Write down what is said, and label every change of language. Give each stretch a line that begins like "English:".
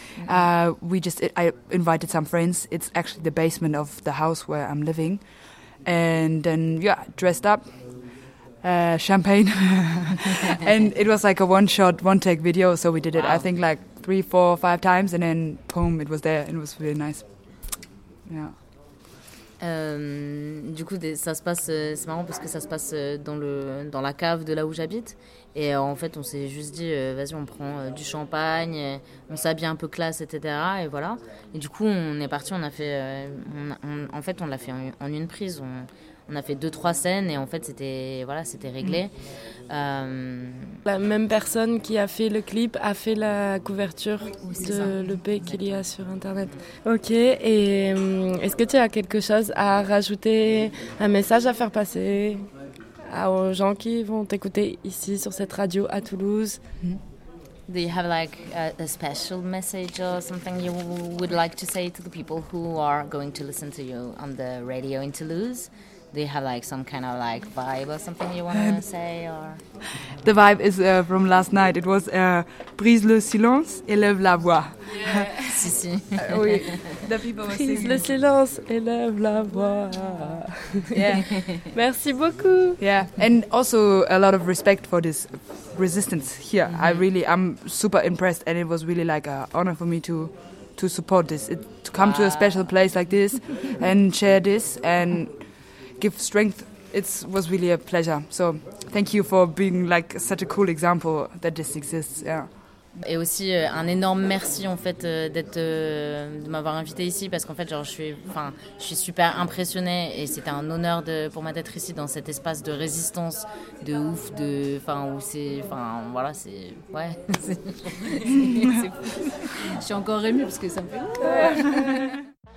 English: Mm-hmm. I invited some friends. It's actually the basement of the house where I'm living. And then, yeah, dressed up. Champagne. And it was like a one-shot, one-take video. So we did it, I think, like 3, 4, 5 times. And then, boom, it was there. And it was really nice. Yeah.
French: Du coup, ça se passe. C'est marrant parce que ça se passe dans la cave de là où j'habite. Et en fait, on s'est juste dit, vas-y, on prend du champagne, on s'habille un peu classe, etc. Et voilà. Et du coup, on est parti. On a fait. On l'a fait en une prise. On a fait 2-3 scènes et en fait, c'était réglé. La même personne qui a fait le clip a fait la couverture de l'EP qu'il y a sur Internet. Ok, et est-ce que tu as quelque chose à rajouter, un message à faire passer aux gens qui vont t'écouter ici sur cette radio à Toulouse?
English: Do you have like a special message or something you would like to say to the people who are going to listen to you on the radio in Toulouse? They have like some kind of like vibe or something you want to say, or the vibe is from last night. It was
French: brise le silence, élève la voix. Yeah, si si. Oui.
English: The people
French: brise
English: were singing.
French: Le silence, élève la voix.
English: Yeah.
French: Merci beaucoup.
English: Yeah, and also a lot of respect for this resistance here. Mm-hmm. I'm super impressed, and it was really like an honor for me to support this, to come to a special place like this, and share this and give strength. It was really a pleasure. So thank you for being like such a cool example that this exists. Yeah.
French: Et aussi un énorme merci en fait de m'avoir invité ici, parce qu'en fait je suis super impressionnée et c'était un honneur pour moi d'être ici dans cet espace de résistance de ouf, de enfin où c'est enfin voilà, c'est ouais, c'est je suis encore émue parce que ça me fait